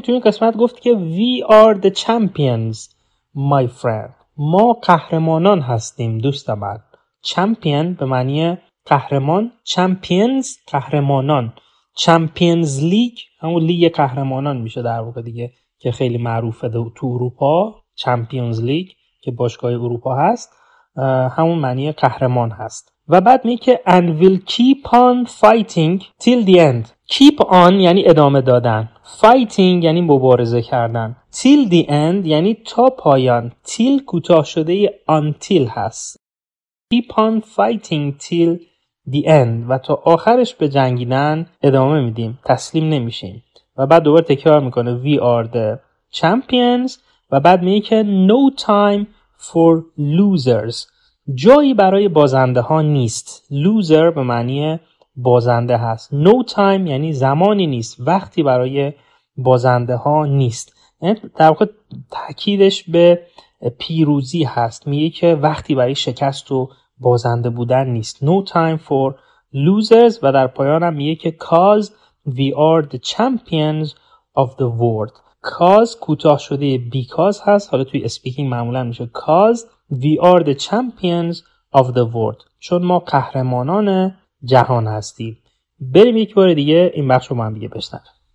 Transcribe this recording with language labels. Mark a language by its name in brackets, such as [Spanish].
[Persian] توی این قسمت گفت که [English] We are the champions, my friend. [Persian] ما قهرمانان هستیم دوست من. Champion به معنی قهرمان. Champions قهرمانان. Champions League همون لیگ قهرمانان میشه در واقع دیگه، که خیلی معروفه تو اروپا. Champions League که باشگاه اروپا هست، همون معنی قهرمان هست. و بعد میگه که [English] and will keep on fighting till the end. [Persian] keep on یعنی ادامه دادن، fighting یعنی مبارزه کردن، [English] till the end [Persian] یعنی تا پایان، till کوتاه شده ی until هست. [English] keep on fighting till the end [Persian] و تا آخرش به جنگیدن ادامه میدیم، تسلیم نمیشیم. و بعد دوباره تکرار میکنه [English] we are the champions [Persian] و بعد میگه که [English] no time for losers، [Persian] جایی برای بازنده ها نیست. loser به معنی بازنده هست. no time یعنی زمانی نیست، وقتی برای بازنده ها نیست. در واقع تاکیدش به پیروزی هست، میگه که وقتی برای شکست و بازنده بودن نیست. [English] no time for losers. [Persian] و در پایان هم میگه که [English] cause we are the champions of the world. cause [Persian] کوتاه شده because هست، حالا توی speaking معمولا میشه [English] cause We are the champions of the world. [Persian] چون ما قهرمانان جهان هستیم. بریم یک بار دیگه این بخش رو با هم دیگه بشنویم.